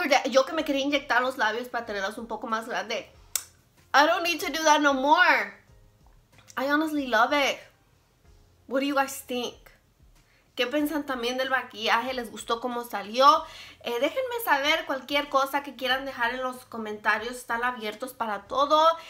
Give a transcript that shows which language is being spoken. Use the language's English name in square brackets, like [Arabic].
[Spanish] Yo que me quería inyectar los labios para tenerlos un poco más grande. [English] I don't need to do that no more. I honestly love it. What do you guys think? [Spanish] ¿Qué piensan también del maquillaje? ¿Les gustó cómo salió? Déjenme saber cualquier cosa que quieran dejar en los comentarios. Están abiertos para todo.